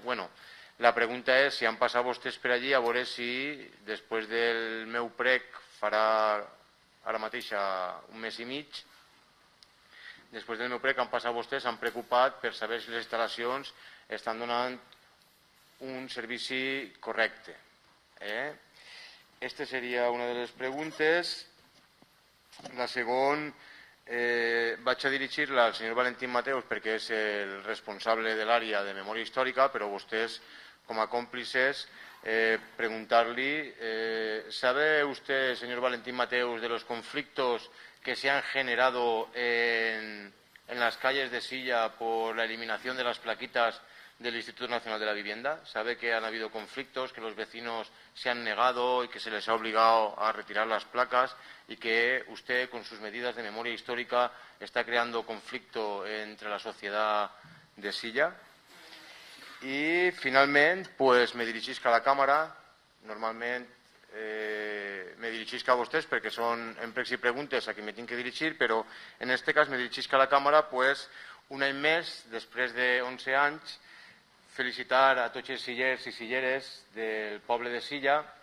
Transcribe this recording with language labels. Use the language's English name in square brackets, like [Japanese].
[Catalan] Bueno, la pregunta és si han passat vostès per allí a veure si després del meu prec farà ara mateix un mes i mig, després del meu prec han passat vostès, s'han preocupat per saber si les instal·lacions estan donant un servici correcte. Aquesta seria una de les preguntes. La segona, vaig a dirigir-la al senyor Valentín Mateus perquè és el responsable de l'àrea de memòria històrica, però vostès, com a còmplices, preguntar-li, [Spanish] ¿sabe usted, señor Valentín Mateus, de los conflictos que se han generado en las calles de Silla por la eliminación de las plaquitas del Instituto Nacional de la Vivienda? ¿Sabe que han habido conflictos, que los vecinos se han negado y que se les ha obligado a retirar las placas y que usted, con sus medidas de memoria histórica, está creando conflicto entre la sociedad de Silla? [Catalan] I finalment, pues, me dirigisc a la càmera, normalment me dirigisc a vostès perquè són en precs i preguntes a qui me tinc que dirigir, però en aquest cas me dirigisc a la càmera pues, un any més, després de 11 anys, felicitar a tots els sillers i silleres del poble de Silla,